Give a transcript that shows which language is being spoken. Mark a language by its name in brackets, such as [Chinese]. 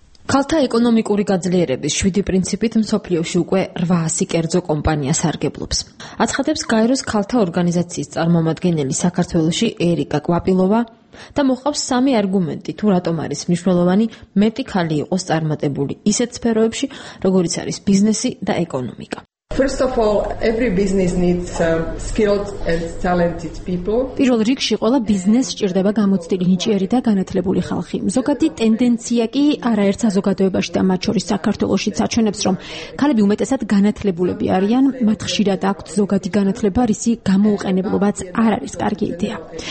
[Georgian] ქალთა ეკონომიკური გაძლიერების შვიდი პრინციპით მსოფლიოში უკვე 800 კერძო კომპანია სარგებლობს. აცხადებს გაეროს ქალთა ორგანიზაციის წარმომადგენელი საქართველოში ერიკა კვაპილოვა, და მოყავს სამი არგუმენტი, თუ რატომ არის მნიშვნელოვანი მეტი ქალი იყოს წარმატებული ისეთ სფეროებში, როგორიც არის ბიზნესი და ეკონომიკა. [English] First of all, every business needs skilled and talented people. [Georgian] პირველ რიგში ყველა ბიზნეს სჭირდება გამოცდილი ნიჭიერი და განათლებული ხალხი. ზოგადი ტენდენცია კი არაერთ საზოგადოებაში და მათ შორის საქართველოში საჩვენებს, რომ ქალები უმეტესად განათლებულები არიან, მათ ხშირად აქვთ ზოგადი განათლება, რისი გამოუყენებლობაც არ არის კარგი იდეა.